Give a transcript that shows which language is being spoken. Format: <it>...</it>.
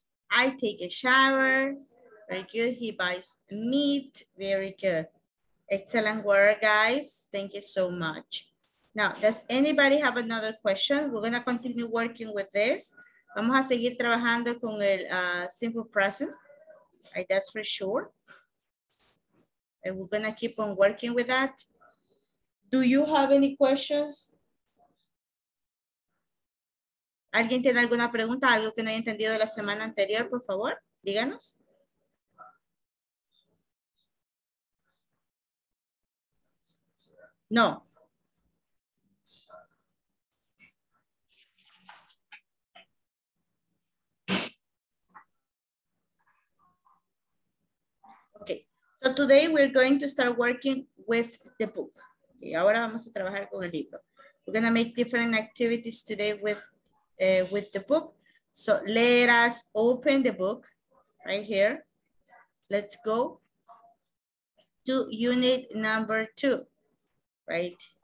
<en>I take a shower. Very good. He buys meat. Very good. Excellent work, guys. Thank you so much. Now, does anybody have another question? We're going to continue working with this.</en> <es>Vamos a seguir trabajando con el simple present.</es> <en>Right, that's for sure. And we're going to keep on working with that. Do you have any questions?</en> <es>¿Alguien tiene alguna pregunta? ¿Algo que no haya entendido la semana anterior? Por favor, díganos. No.</es> <en>Okay. So today we're going to start working with the book.</en> <es>Y ahora vamos a trabajar con el libro.</es> <en>We're going to make different activities today with the book. So let us open the book right here. Let's go to unit number two, right?</en>